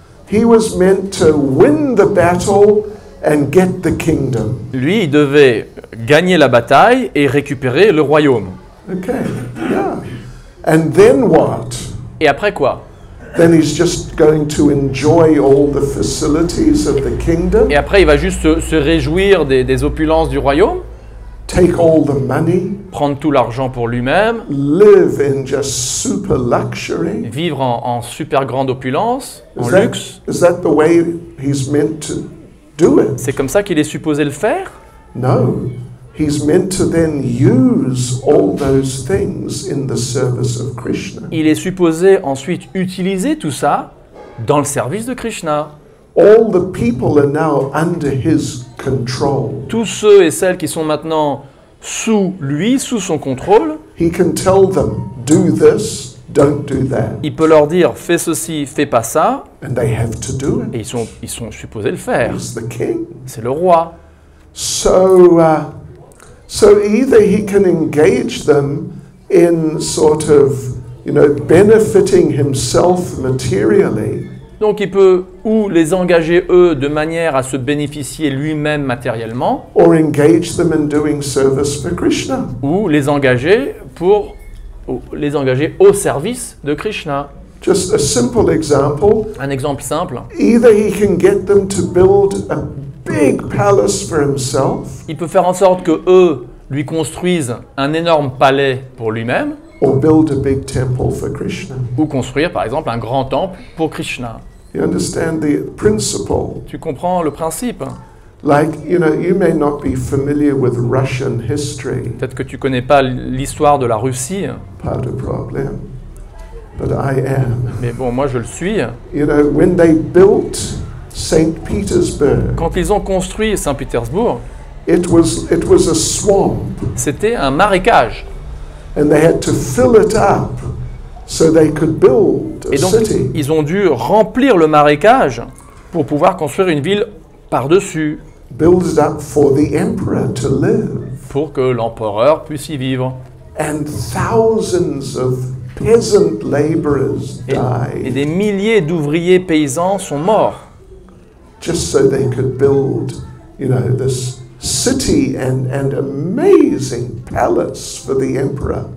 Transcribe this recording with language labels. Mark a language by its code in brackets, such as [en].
[en] He was meant to win the battle and get the kingdom. [fr] Lui, il devait gagner la bataille et récupérer le royaume. [en] Okay. Yeah. And then what? [fr] Et après quoi? [en] Then he's just going to enjoy all the facilities of the kingdom. [fr] Et après, il va juste se réjouir des opulences du royaume. [en] Take all the money. [fr] Prendre tout l'argent pour lui-même. [en] Live in just super luxury. [fr] Vivre en super grande opulence, en luxe. [en] Is that the way he's meant to do it? [fr] C'est comme ça qu'il est supposé le faire? [en] No. He's meant to then use all those things in the service of Krishna. [fr] Il est supposé ensuite utiliser tout ça dans le service de Krishna. [en] All the people are now under his control. [fr] Tous ceux et celles qui sont maintenant sous lui, sous son contrôle. [en] He can tell them, do this, don't do that. [fr] Il peut leur dire, fais ceci, fais pas ça. [en] And they have to do it. [fr] Et ils sont supposés le faire. [en] He's the king. [fr] C'est le roi. [en] So either he can engage them in sort of, you know, benefiting himself materially. [fr] Donc il peut ou les engager eux de manière à se bénéficier lui-même matériellement, [en] or engage them in doing service for Krishna. [fr] Ou les engager pour les engager au service de Krishna. [en] Just a simple example. [fr] Un exemple simple. [en] Either he can get them to build a big palace for himself. [fr] Il peut faire en sorte que eux lui construisent un énorme palais pour lui-même. [en] Or build a big temple for Krishna. [fr] Ou construire, par exemple, un grand temple pour Krishna. [en] You understand the principle? [fr] Tu comprends le principe? [en] Like, you know, you may not be familiar with Russian history. [fr] Peut-être que tu connais pas l'histoire de la Russie. Pas de problème. [en] But I am. [fr] Mais bon, moi, je le suis. [en] You know, when they built Saint Petersburg. [fr] Quand ils ont construit Saint-Pétersbourg. [en] It was a swamp. [fr] C'était un marécage. [en] And they had to fill it up so they could build a city. [fr] Et donc ils ont dû remplir le marécage pour pouvoir construire une ville par-dessus. [en] Build it up for the emperor to live. [fr] Pour que l'empereur puisse y vivre. [en] And thousands of peasant laborers died. [fr] Et des milliers d'ouvriers paysans sont morts. [en] Just so they could build, you know, this city and amazing palace for the emperor.